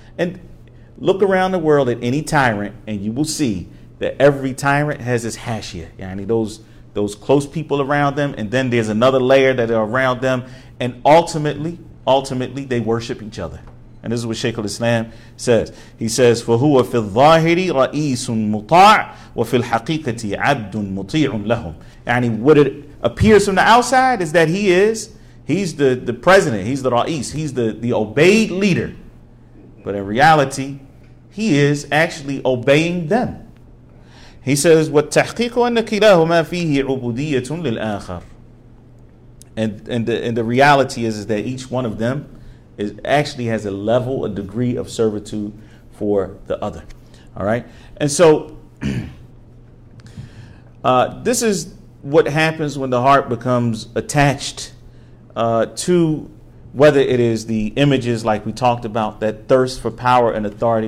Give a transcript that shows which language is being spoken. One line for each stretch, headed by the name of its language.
English: And look around the world at any tyrant and you will see that every tyrant has his hashia. Yani those close people around them, and then there's another layer that are around them, and ultimately they worship each other. And this is what Shaykh al-Islam says. He says,
Arabic: فَهُوَ فِي الظَّاهِرِ رَئِيسٌ مُطَاعٌ وَفِي الْحَقِيقَةِ عَبْدٌ مُطِيعٌ لَهُمْ.
English: And what it appears from the outside is that he's the president, he's the ra'is, he's the obeyed leader. But in reality, he is actually obeying them. He says,
Arabic: وَالتَّحْقِيقُ أَنَّ كِلَاهُمَا فِيهِ عُبُودِيَّةٌ لِلْآخَرِ.
English: And the reality is that each one of them is actually has a level, a degree of servitude for the other. All right? And so this is what happens when the heart becomes attached to whether it is the images like we talked about, that thirst for power and authority.